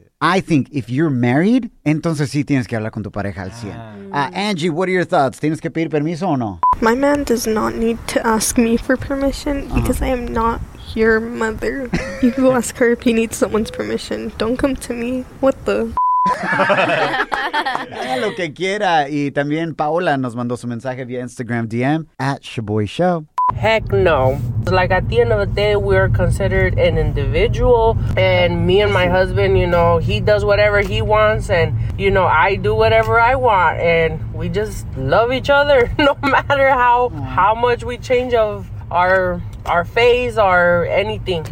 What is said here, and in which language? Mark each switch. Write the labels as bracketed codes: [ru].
[en] I think if you're married, [es] entonces sí tienes que hablar con tu pareja al 100. Angie, [en] what are your thoughts? [es] ¿Tienes que pedir permiso o no? [en] My man does not need to ask me for permission because I am not your mother. You can ask her if you need someone's permission. Don't come to me. What the? [es] Haga lo que quiera. Y también Paola nos mandó su mensaje via Instagram DM at Shaboy Show. [en] Heck no. Like, at the end of the day, we are considered an individual. And me and my husband, you know, he does whatever he wants. And, you know, I do whatever I want. And we just love each other no matter how much we change of our face or anything.